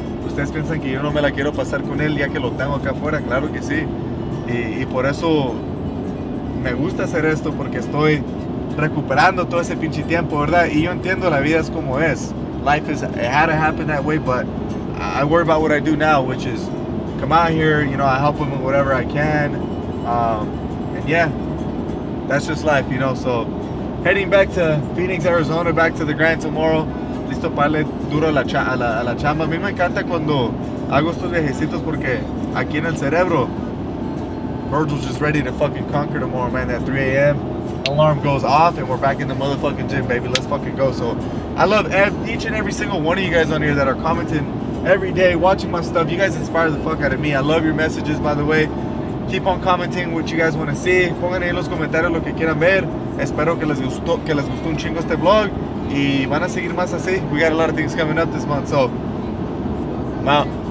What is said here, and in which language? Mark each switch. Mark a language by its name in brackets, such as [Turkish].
[Spanish] ¿Ustedes piensan que yo no me la quiero pasar con él ya que lo tengo acá afuera? Claro que sí. Y por eso me gusta hacer esto, porque estoy recuperando todo ese pinche tiempo, ¿verdad? Y yo entiendo, la vida es como es. [English] Life is, it had to happen that way, but I worry about what I do now, which is come out here, you know, I help him with whatever I can. And yeah, that's just life, you know. So heading back to Phoenix, Arizona, back to the grind tomorrow. [Spanish] esto para le duro a la chamba. A mí me encanta cuando hago estos viajecitos porque aquí en el cerebro, [English] Virgil's just ready to fucking conquer tomorrow, man. At 3 a.m., alarm goes off and we're back in the motherfucking gym, baby. Let's fucking go. So I love each and every single one of you guys on here that are commenting every day, watching my stuff. You guys inspire the fuck out of me. I love your messages, by the way. Keep on commenting what you guys want to see. [Spanish] Pongan ahí en los comentarios lo que quieran ver. Espero que les gustó un chingo este vlog. Y van a seguir más así. [English] We got a lot of things coming up this month, so I'm out.